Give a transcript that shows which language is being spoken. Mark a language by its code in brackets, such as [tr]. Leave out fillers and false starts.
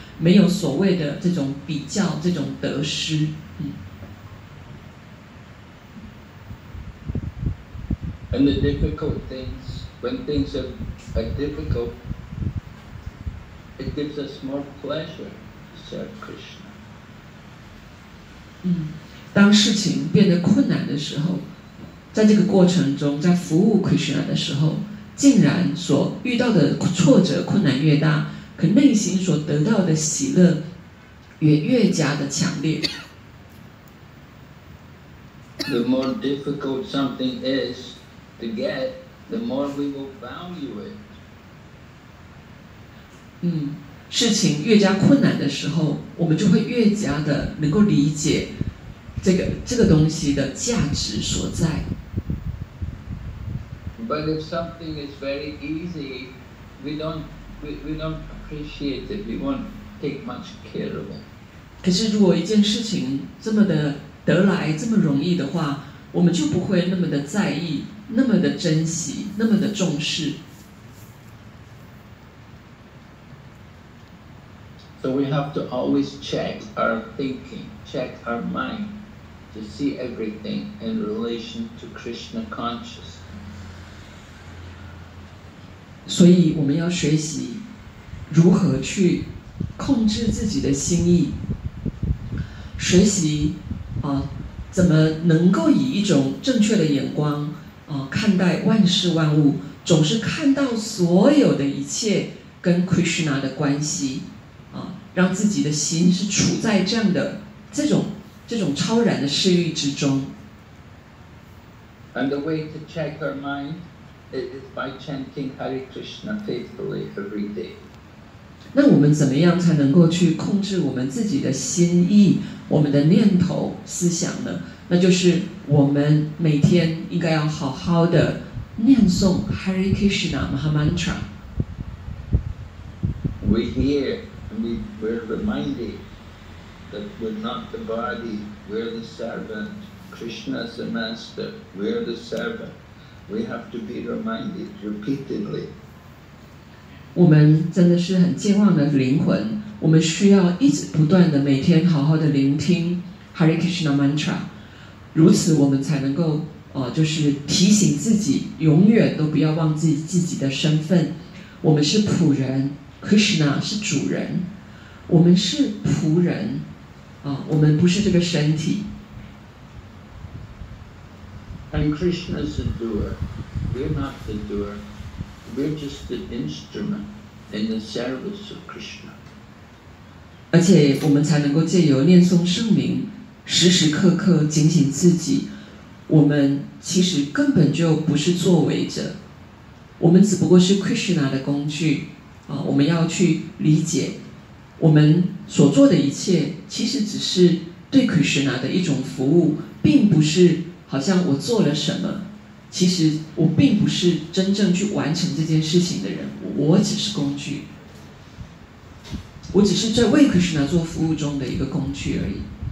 [zh] 没有所谓的这种比较，这种得失。 [en] And the difficult things, when things are difficult, it gives us more pleasure to serve Krishna. [zh] 当事情变得困难的时候，在这个过程中，在服务 Krishna 的时候，竟然所遇到的挫折困难越大。可内心所得到的喜乐也越加的强烈。 [en] The more difficult something is to get, the more we will value it. [zh] 事情越加困难的时候，我们就会越加的能够理解这个东西的价值所在。 [en] But if something is very easy, we don't appreciate it. We won't take much care of it. [zh] 可是，如果一件事情这么的得来这么容易的话，我们就不会那么的在意，那么的珍惜，那么的重视。 [en] So we have to always check our thinking, check our mind, to see everything in relation to Krishna consciousness. [zh] 所以，我们要学习。如何去控制自己的心意，学习怎么能够以一种正确的眼光看待万事万物，总是看到所有的一切跟 Krishna 的关系让自己的心是处在这样的这种超然的视域之中。 [en] And the way to check our mind is by chanting Hare Krishna faithfully every day. [zh] 那我们怎么样才能够去控制我们自己的心意，我们的念头思想呢？那就是我们每天应该要好好的念诵 Hare Krishna Mahamantra。 [en] We hear and we're reminded that we're not the body, we're the servant. Krishna is the master, we're the servant. We have to be reminded repeatedly. [zh] 我们真的是很健忘的灵魂，我们需要一直不断的每天好好的聆听 Hare Krishna Mantra。如此我们才能够就是提醒自己，永远都不要忘记自己的身份，我们是仆人， Krishna 是主人，我们是仆人我们不是这个身体。 [en] And Krishna is the doer, we're not the doer, we're just the instrument in the service of Krishna. [zh] 而且我们才能够借由念诵圣名时时刻刻警醒自己，我们其实根本就不是作为者，我们只不过是 Krishna 的工具我们要去理解我们所做的一切其实只是对 Krishna 的一种服务，并不是好像我做了什么，其实我并不是真正去完成这件事情的人，我只是工具，我只是在为 Krishna 做服务中的一个工具而已。